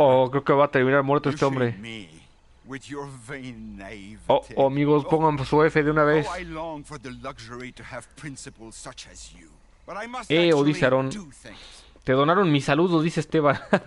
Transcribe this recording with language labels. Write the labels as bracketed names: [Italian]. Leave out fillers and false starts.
[Spanish] Creo que va a terminar muerto este hombre. [English] with your vain naivety. [Spanish] Oh, amigos, pongan su F de una vez. [English] I long for the luxury to have principles such as you. But I must [Spanish] dice Aarón. Te donaron mis saludos, dice Esteban.